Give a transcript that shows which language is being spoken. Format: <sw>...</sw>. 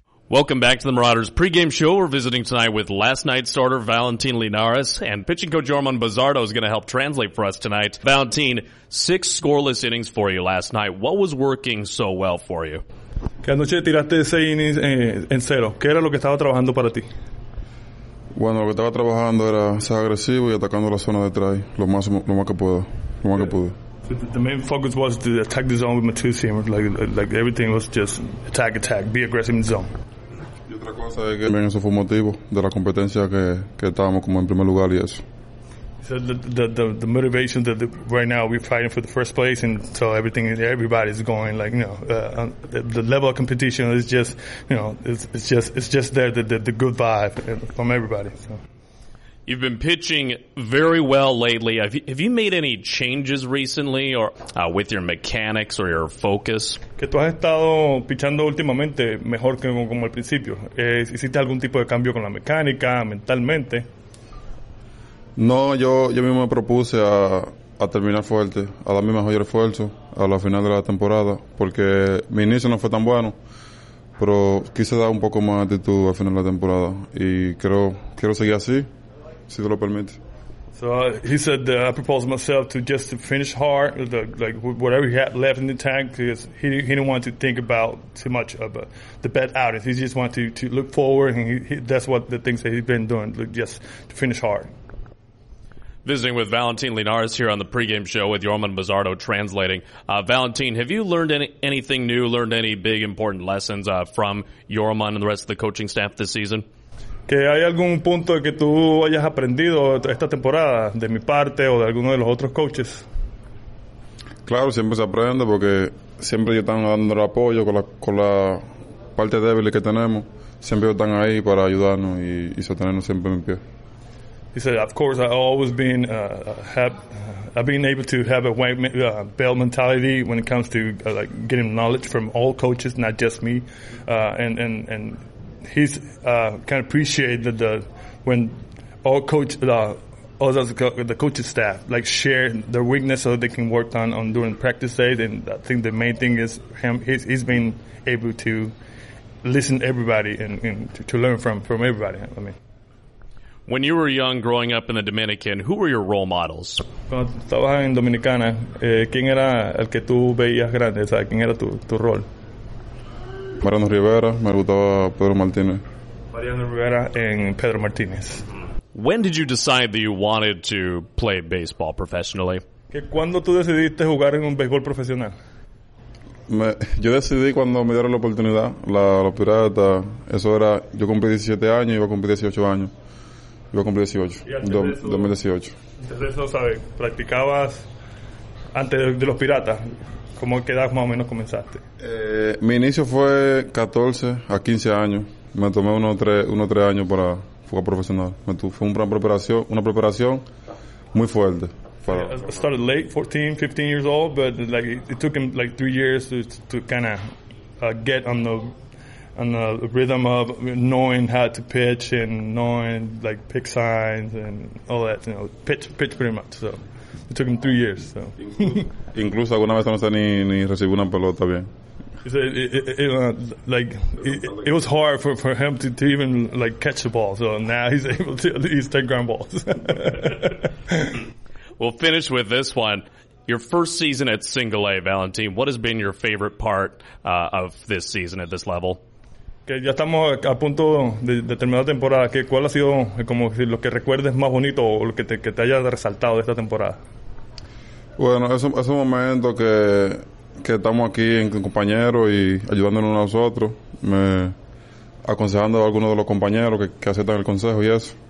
<en>Welcome back to the Marauders pregame show. We're visiting tonight with last night's starter, Valentin Linares. And pitching coach Jorman Bazzardo is going to help translate for us tonight. Valentin, six scoreless innings for you last night. What was working so well for you?</en> <es>Que anoche tiraste seis innings en cero. ¿Qué era lo que estaba trabajando para ti? Bueno, lo que estaba trabajando era ser agresivo y atacando la zona de try lo más que pude.</es> <en>The main focus was to attack the zone with Matusi. Like everything was just attack, be aggressive in the zone.</en> <es>Y otra cosa es que también eso fue motivo de la competencia que estábamos como en primer lugar y eso.</es> <en>So the motivation that right now we're fighting for the first place, and so everybody's going like, you know, the level of competition is just, you know, it's just there, the good vibe from everybody. So. You've been pitching very well lately. Have you made any changes recently, or with your mechanics or your focus?</en> <es>Que tú has estado pitchando últimamente mejor que como al principio. ¿Hiciste algún tipo de cambio con la mecánica, mentalmente? No, yo mismo me propuse a terminar fuerte, a dar mi mejor esfuerzo a la final de la temporada, porque mi inicio no fue tan bueno, pero quise dar un poco más actitud al final de la temporada y creo quiero seguir así, si te lo permite.</es> <en>So he said that I proposed myself to just to finish hard, the, like whatever he had left in the tank, because he didn't want to think about too much of the bad outings. He just wanted to look forward, and he, that's what the things that he's been doing, look, just to finish hard. Visiting with Valentin Linares here on the pregame show with Yorman Bizardo translating. Valentin, have you learned anything new, learned any big important lessons from Yorman and the rest of the coaching staff this season?</en> <es>¿Que hay algún punto que tú hayas aprendido esta temporada de mi parte o de alguno de los otros coaches? Claro, siempre se aprende porque siempre ellos están dando el apoyo con la parte débil que tenemos. Siempre están ahí para ayudarnos y sostenernos siempre en pie.</es> <en>He said, of course, I've always been I've been able to have a belt mentality when it comes to like getting knowledge from all coaches, not just me, and he's kind of appreciate that the coaching staff like share their weakness so they can work on during practice days. And I think the main thing is him. He's been able to listen to everybody and to learn from everybody. I mean, when you were young, growing up in the Dominican, who were your role models?</en> <es>Cuando estabas en Dominicana, ¿quién era el que tú veías grande? O sea, ¿quién era tu rol? Mariano Rivera, me gustaba Pedro Martínez.</es> <en>Mariano Rivera and Pedro Martínez. When did you decide that you wanted to play baseball professionally?</en> <es>¿Que cuando tú decidiste jugar en un béisbol profesional? Yo decidí cuando me dieron la oportunidad, la pirata. Eso era, yo cumplí 17 años y iba a cumplir 18 años. Iba a cumplir 18, 2018. Entonces, ¿sabes? ¿Practicabas antes de los piratas? ¿Cómo qué edad más o menos comenzaste? Mi inicio fue 14 a 15 años. Me tomé unos tres años para jugar profesional. Fue una preparación muy fuerte.</es> <en>Para, I started late, 14, 15 years old, but like it took him like 3 years to kind of get on the rhythm of knowing how to pitch and knowing like pick signs and all that. You know, pitch pretty much. So. It took him 3 years. So.</en> <es>Incluso alguna vez no sé ni recibí una pelota bien.</es> <en>It was hard for him to even like catch the ball. So now he's able to at least take ground balls. We'll finish with this one. Your first season at Single A, Valentin. What has been your favorite part of this season at this level?</en> <es>Que ya estamos a punto de terminar la temporada. ¿Qué, cuál ha sido como lo que recuerdes más bonito o lo que te haya resaltado de esta temporada? Bueno, es un momento que estamos aquí en compañeros y ayudándonos a nosotros, aconsejando a algunos de los compañeros que aceptan el consejo y eso.</es>